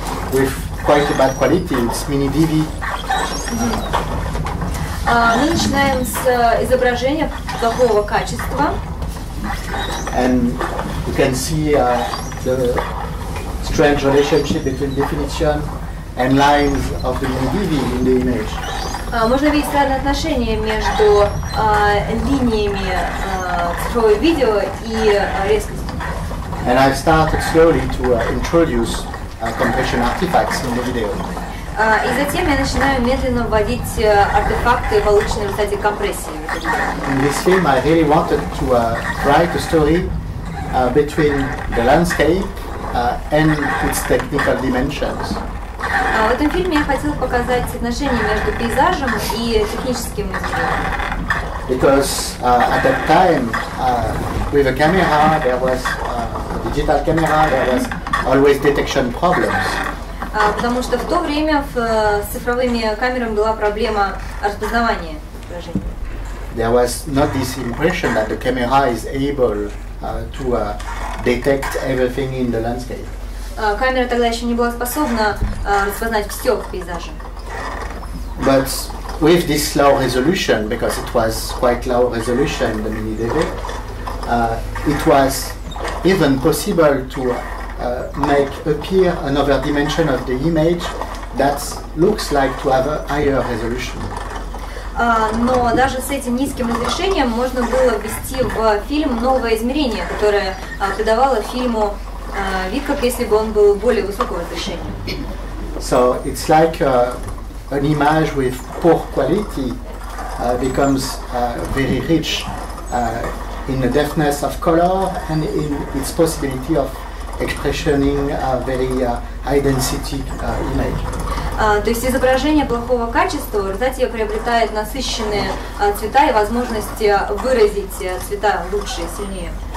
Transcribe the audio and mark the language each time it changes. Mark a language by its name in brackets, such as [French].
[English] With quite a bad quality, it's mini DV. [Russian] Мы начинаем с изображения плохого качества. [English] And you can see the strange relationship between definition and lines of the mini DV in the image. [Russian] Можно видеть странное отношение между линиями цифрового видео и резкостью. [English] And I've started slowly to introduce compression artifacts in the video. [Russian] И затем я начинаю медленно вводить артефакты, полученные в результате компрессии. [English] In this film, I really wanted to write a story between the landscape and its technical dimensions. [Russian] В этом фильме я хотел показать отношения между пейзажем и техническим материалом. [English] Because at that time, with a camera, there was a digital camera, there was always detection problems. [Russian] Потому что в то время с цифровыми камерами была проблема распознавания изображения. [English] There was not this impression that the camera is able to detect everything in the landscape. [Russian] Камера тогда еще не была способна распознать все в пейзаже. [English] But with this low resolution, because it was quite low resolution, the mini DV, it was even possible to make appear another dimension of the image that looks like to have a higher resolution. [Russian] Но даже с этим низким разрешением можно было ввести в фильм новое измерение, которое придавало фильму вид, как если бы он был более высокого разрешения. [English] So it's like an image with poor quality becomes very rich in the depthness of color and in its possibility of expressioning a very high density image. [Russian] То есть изображение плохого качества, кстати, приобретает насыщенные цвета и возможность выразить цвета лучше, сильнее.